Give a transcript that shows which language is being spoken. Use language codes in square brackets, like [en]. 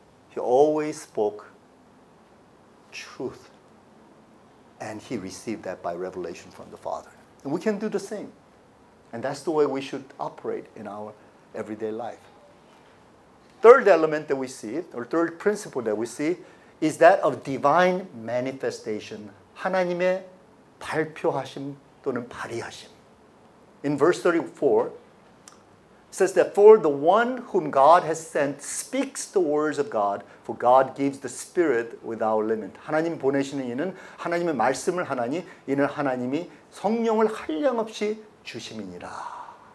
[en] He always spoke truth, and he received that by revelation from the Father. And we can do the same. And that's the way we should operate in our everyday life. third element that we see, or third principle that we see, is that of divine manifestation. [ko] 하나님의 발표하심 또는 발의하심. [en] In verse 34, it says that for the one whom God has sent speaks the words of God, for God gives the Spirit without limit. [ko] 하나님 보내시는 이는 하나님의 말씀을 하나니 이는 하나님이 성령을 한량없이 주심이니라.